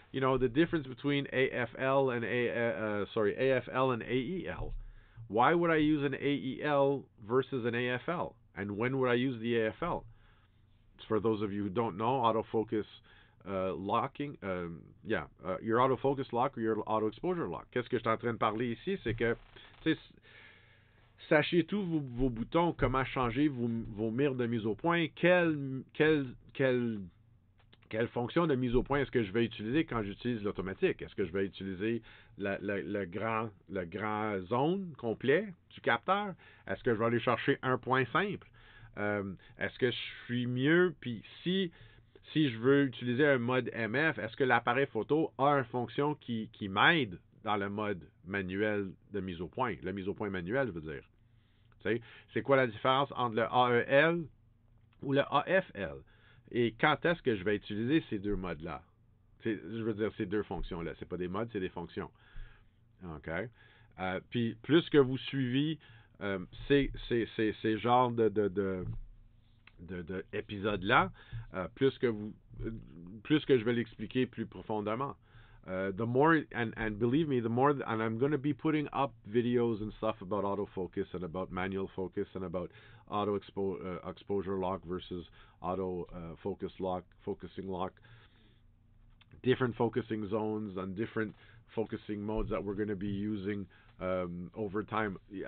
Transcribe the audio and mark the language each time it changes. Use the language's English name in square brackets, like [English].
[English] You know, the difference between AFL and AEL. Why would I use an AEL versus an AFL? And when would I use the AFL? For those of you who don't know, autofocus locking, your autofocus lock or your auto exposure lock. [French] Qu'est-ce que je suis en train de parler ici? C'est que, tu sais, sachez tous vos boutons, comment changer vos mires de mise au point, quelle fonction de mise au point est-ce que je vais utiliser quand j'utilise l'automatique? Est-ce que je vais utiliser le grand zone complet du capteur? Est-ce que je vais aller chercher un point simple? Est-ce que je suis mieux? Puis si je veux utiliser un mode MF, est-ce que l'appareil photo a une fonction qui m'aide dans le mode manuel de mise au point? La mise au point manuel, je veux dire. Tu sais, c'est quoi la différence entre le AEL ou le AFL? Et quand est-ce que je vais utiliser ces deux modes-là? Je veux dire, ces deux fonctions-là. C'est pas des modes, c'est des fonctions. OK? Puis, plus que vous suivez ces genres de épisodes-là, plus que je vais l'expliquer plus profondément. [English] And I'm going to be putting up videos and stuff about autofocus and about manual focus and about auto exposure lock versus auto focus lock, focusing lock, different focusing zones and different focusing modes that we're going to be using over time.